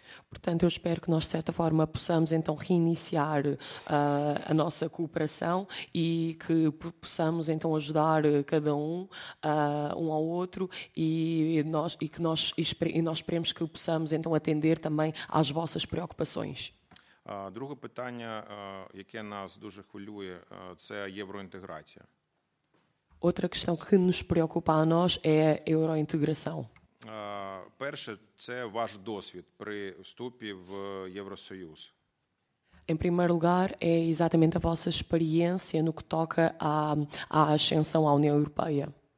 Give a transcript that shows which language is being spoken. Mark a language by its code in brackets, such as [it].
[pt] Portanto, eu espero que nós, de certa forma, possamos então reiniciar a nossa cooperação e que possamos então ajudar cada um, um ao outro e nós esperemos que possamos então atender também às vossas preocupações. [uk] Друге питання, яке нас дуже хвилює, це євроінтеграція. [pt] Outra questão que nos preocupa a nós é a eurointegração. [uk] Перше, це ваш досвід при вступі в Євросоюз. [pt] Em primeiro lugar, é exatamente a vossa experiência no que toca à ascensão à União Europeia.